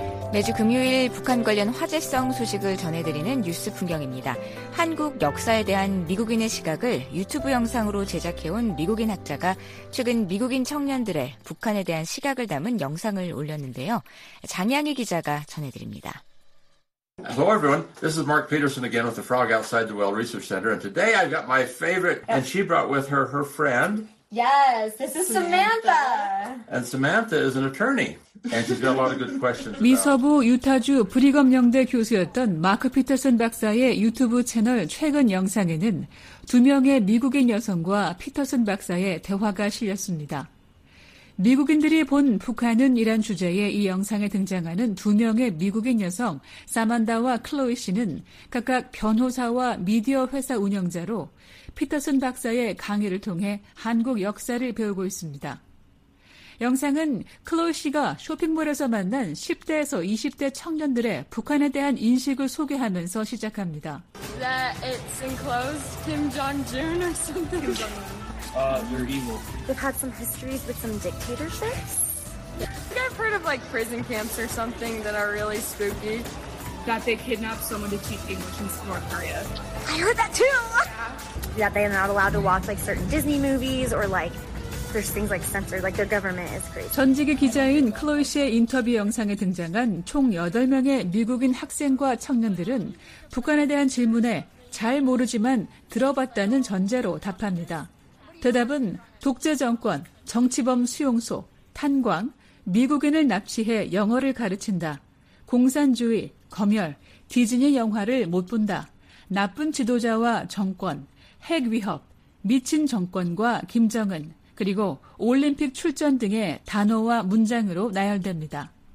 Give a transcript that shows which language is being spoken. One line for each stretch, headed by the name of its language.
Korean: 매주 금요일 북한 관련 화제성 소식을 전해드리는 뉴스 풍경입니다. 한국 역사에 대한 미국인의 시각을 유튜브 영상으로 제작해온 미국인 학자가 최근 미국인 청년들의 북한에 대한 시각을 담은 영상을 올렸는데요. 장양희 기자가 전해드립니다.
English: Hello everyone. This is Mark Peterson again with the Frog Outside the Well Research Center. And today I've got my favorite and she brought with her her friend. Yes, this is Samantha. And Samantha is an attorney. And she's got a lot of good questions.
Korean: 미서부 유타주 브리검 영대 교수였던 마크 피터슨 박사의 유튜브 채널 최근 영상에는 두 명의 미국인 여성과 피터슨 박사의 대화가 실렸습니다. 미국인들이 본 북한은 이란 주제의 이 영상에 등장하는 두 명의 미국인 여성 사만다와 클로이 씨는 각각 변호사와 미디어 회사 운영자로 피터슨 박사의 강의를 통해 한국 역사를 배우고 있습니다. 영상은 클로이 씨가 쇼핑몰에서 만난 10대에서 20대 청년들의 북한에 대한 인식을 소개하면서 시작합니다.
English: That it's enclosed Kim Jong-un or something. Kim Jong-un. You're evil. They've had some histories with some dictatorships. I think I've heard of like prison camps or something that are really spooky. That they kidnap someone to teach English in North Korea. I heard that too! Yeah. That they're not allowed to watch like certain Disney movies or like there's things like censored, like their government is crazy.
Korean: 전직의 기자인 클로이 씨의 인터뷰 영상에 등장한 총 8명의 미국인 학생과 청년들은 북한에 대한 질문에 잘 모르지만 들어봤다는 전제로 답합니다. 대답은 독재 정권, 정치범 수용소, 탄광, 미국인을 납치해 영어를 가르친다, 공산주의, 검열, 디즈니 영화를 못 본다, 나쁜 지도자와 정권, 핵 위협, 미친 정권과 김정은, 그리고 올림픽 출전 등의 단어와 문장으로 나열됩니다.